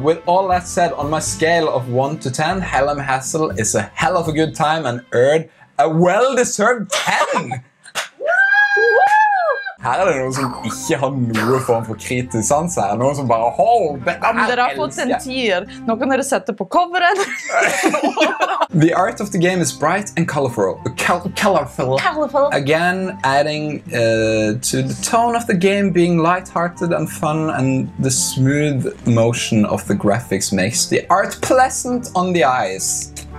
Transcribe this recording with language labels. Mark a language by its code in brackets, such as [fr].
[en] With all that said, on my scale of 1 to 10, Helheim Hassel is a hell of a good time and earned a well-deserved 10. [no] Her er det noen som ikke har noe form for kritisk sans her. Noen som bare, hold, det er dere har fått en tier. Nå kan dere sette på coveren. [en] The art of the game is bright and colorful. Colorful. Again, adding to the tone of the game being lighthearted and fun, and the smooth motion of the graphics makes the art pleasant on the eyes.